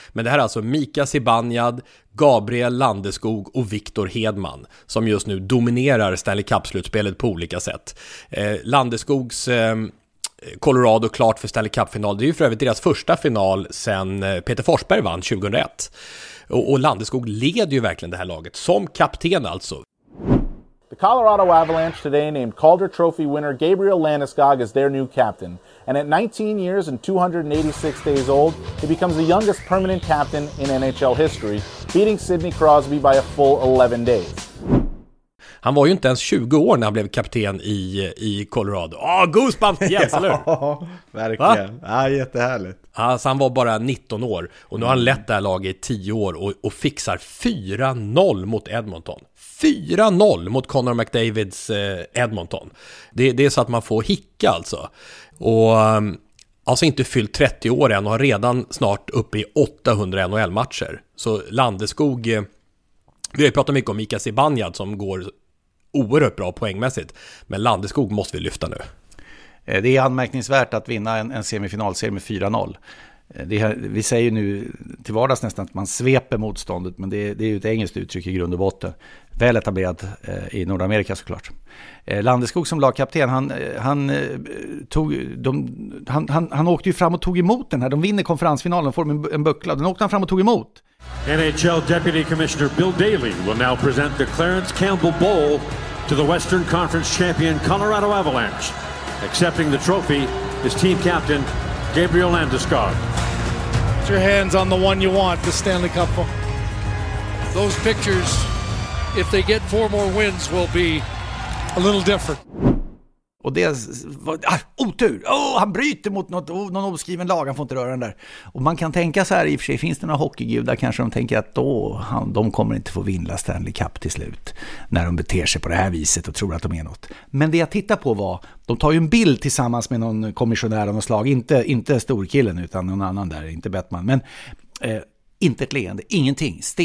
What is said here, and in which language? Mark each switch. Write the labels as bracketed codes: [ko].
[sv] Men det här är alltså Mika Zibanejad, Gabriel Landeskog och Viktor Hedman som just nu dominerar Stanley Cup-slutspelet på olika sätt. Landeskogs Colorado klart för Stanley Cup-final. Det är ju för övrigt deras första final sedan Peter Forsberg vann 2001. Och Landeskog leder ju verkligen det här laget som kapten alltså. [en] The Colorado Avalanche today named Calder Trophy winner Gabriel Landeskog as their new captain. And at 19 years and 286 days old, he becomes the youngest permanent captain in NHL history, beating Sidney Crosby by a full 11 days. [sv] Han var ju inte ens 20 år när han blev kapten i Colorado. [en] Åh, goosebumps, yes, [sv] ja, goosebumps, eller hur? Ja, verkligen. Va? Ja, jättehärligt. Alltså, han var bara 19 år och nu har han lett det här laget i 10 år och fixar 4-0 mot Edmonton. 4-0 mot Connor McDavids Edmonton. Det är så att man får hicka alltså. Och alltså inte fyllt 30 år än och har redan snart uppe i 800 NHL-matcher. Så Landeskog... Vi har ju pratat mycket om Mika Zibanejad som går oerhört bra poängmässigt. Men Landeskog måste vi lyfta nu. Det är anmärkningsvärt att vinna en semifinalserie med 4-0. Vi säger ju nu till vardags nästan att man sveper motståndet. Men det är ju ett engelskt uttryck i grund och botten. Väl etablerad i Nordamerika såklart. Landeskog som lagkapten, han åkte ju fram och tog emot den här. De vinner konferensfinalen, får en buckla. Den åkte han fram och tog emot. [en] NHL Deputy Commissioner Bill Daly will now present the Clarence Campbell Bowl to the Western Conference champion Colorado Avalanche. Accepting the trophy is team captain Gabriel Landeskog. Put your hands on the one you want, the Stanley Cup. Those pictures, if they get four more wins, will be a little different. [sv] Och det var otur. Oh, han bryter mot någon oskriven lag. Han får inte röra den där. Och man kan tänka så här, i och för sig finns det några hockeygudar, kanske de tänker att de kommer inte få vinna Stanley Cup till slut när de beter sig på det här viset och tror att de är något. Men det jag tittar på var, de tar ju en bild tillsammans med någon kommissionär av något slag, inte storkillen utan någon annan där, inte Batman, men inte ett leende, ingenting.